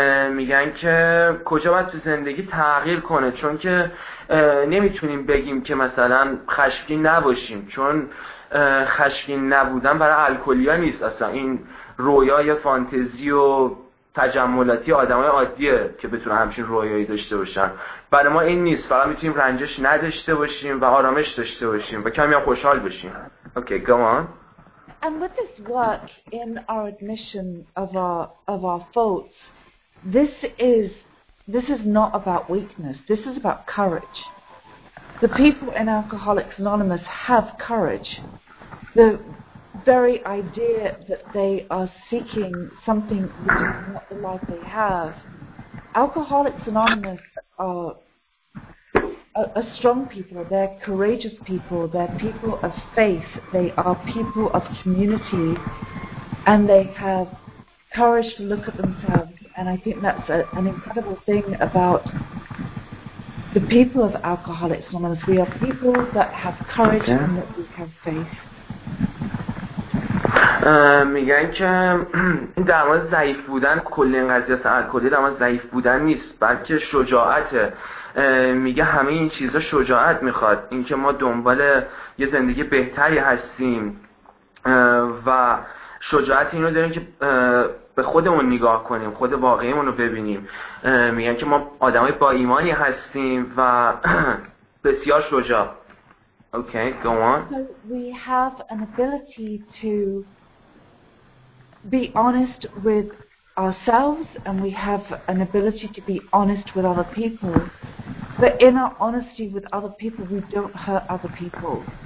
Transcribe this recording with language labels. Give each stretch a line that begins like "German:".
Persian: میگن که کجا باید تو زندگی تغییر کنه، چون که نمیتونیم بگیم که مثلا خشمگین نباشیم، چون خشمگین نبودن برای الکلیا نیست، اصلا این رویای فانتزی و تجملاتی آدمای عادیه که بتونن همچین رویایی داشته باشن. برای ما این نیست، فقط میتونیم رنجش نداشته باشیم و آرامش داشته باشیم و کمی هم خوشحال باشیم.
English: Okay, go on. And with this work in our admission of our faults, this is not about weakness. This is about courage. The people in Alcoholics Anonymous have courage. The very idea that they are seeking something which is not the life they have. Alcoholics Anonymous are strong people, they're courageous people, they're people of faith, they are people of community, and they have courage to look at themselves, and I think that's an incredible thing about the people of Alcoholics Anonymous. We are people that have courage, okay. And that we have faith.
Persian: میگن که این در مورد ضعیف بودن، کل این قضیه اصلا الکلی در مورد ضعیف بودن نیست، بلکه شجاعته. میگه همه این چیزا شجاعت میخواد، اینکه ما دنبال یه زندگی بهتری هستیم و شجاعت اینو داریم که به خودمون نگاه کنیم، خود واقعیمون رو ببینیم. میگن که ما آدمای با ایمانی هستیم و بسیار شجاع.
English: Okay, go on. So we have an ability to be honest with ourselves, and we have an ability to be honest with other people. But in our honesty with other people, we don't hurt other people.